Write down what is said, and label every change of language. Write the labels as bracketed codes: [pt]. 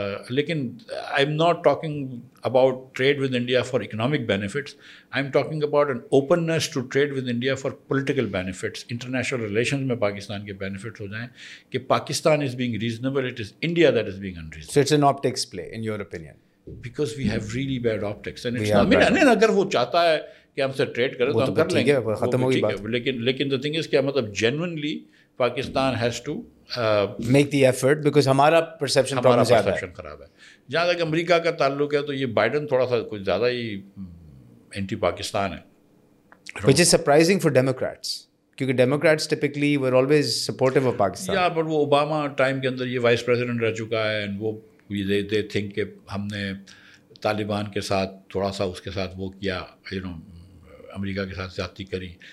[ur] لیکن [en] I am not talking about trade with India for economic benefits, I am talking about an openness to trade with India for political benefits. International relations [ur] میں پاکستان کے benefits ہو جائیں کہ [en] Pakistan is being reasonable, it is India that is being unreasonable. It's an optics play in your opinion, because we have really bad optics. [ur] اگر وہ چاہتا ہے کہ ہم سے ٹریڈ کرے تو ہم کر لیں گے, ختم ہو گئی بات. [en] لیکن the thing is [ur] کیا, مطلب [en] genuinely Pakistan has to make the effort, because [ur] ہمارا [en] perception [ur] خراب ہے. جہاں تک امریکہ کا تعلق ہے تو یہ بائیڈن تھوڑا سا کچھ زیادہ ہی اینٹی پاکستان ہے, [en] which is surprising for Democrats, [ur] کیونکہ [en] Democrats typically were always supportive of Pakistan. [ur] یا بٹ وہ اوباما ٹائم کے اندر یہ وائس پریزیڈنٹ رہ چکا ہے, اینڈ وہ [en] they think [ur] کہ ہم نے طالبان کے ساتھ تھوڑا سا اس کے ساتھ وہ کیا, [en] you know [ur] امریکہ کے ساتھ زیادتی کری.